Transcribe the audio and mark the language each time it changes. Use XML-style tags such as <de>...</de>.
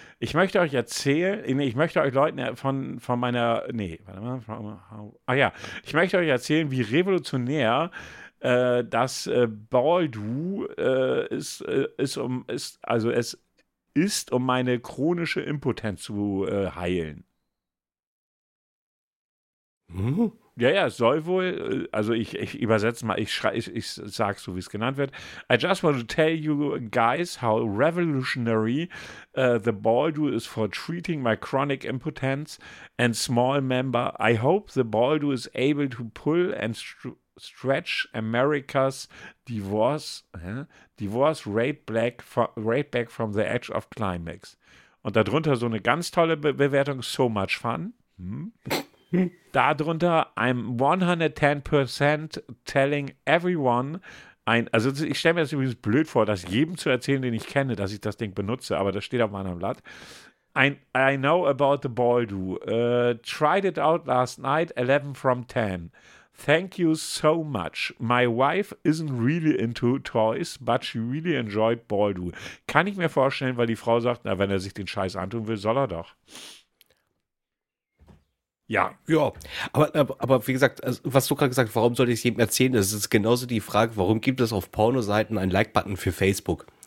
<de>Ich möchte euch erzählen, ich möchte euch Leuten von meiner, nee, warte mal, ich möchte euch erzählen, wie revolutionär das es ist, um meine chronische Impotenz zu heilen. Ja, es soll wohl, also ich übersetze mal, ich sage so, wie es genannt wird.</de> <en>I just want to tell you guys how revolutionary the Baldu is for treating my chronic impotence and small member. I hope the Baldu is able to pull and stretch America's divorce right back from the edge of climax.</en> <de>Und darunter so eine ganz tolle Be Bewertung,</de> <en>so much fun.</en> <de>Darunter,</de> <en>I'm 110% telling everyone,</en> <de>also ich stelle mir das übrigens blöd vor, das jedem zu erzählen, den ich kenne, dass ich das Ding benutze, aber das steht auf meinem Blatt.</de> <en>I know about the Baldu. Tried it out last night, 11 from 10. Thank you so much. My wife isn't really into toys, but she really enjoyed Baldu.</en> <de>Kann ich mir vorstellen, weil die Frau sagt, na, wenn er sich den Scheiß antun will, soll er doch. Ja. Ja, aber wie gesagt, also was du gerade gesagt hast, warum sollte ich es jedem erzählen? Das ist genauso die Frage, warum gibt es auf Pornoseiten einen Like-Button für Facebook?</de>